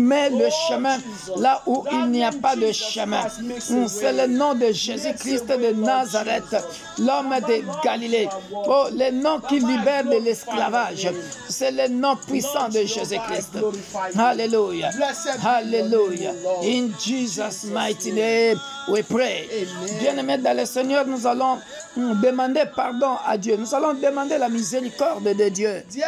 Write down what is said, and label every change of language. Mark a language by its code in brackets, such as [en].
[fr] illumer le chemin là où il n'y a pas de chemin. C'est le nom de Jésus-Christ de Nazareth, l'homme de Galilée. Oh, le nom qui libère de l'esclavage. C'est le nom puissant de Jésus-Christ. Alléluia. Alléluia. [en] In Jesus' mighty name, we pray. [fr] Bien-aimés dans le Seigneur, nous allons demander pardon à Dieu. Nous allons demander la miséricorde de Dieu.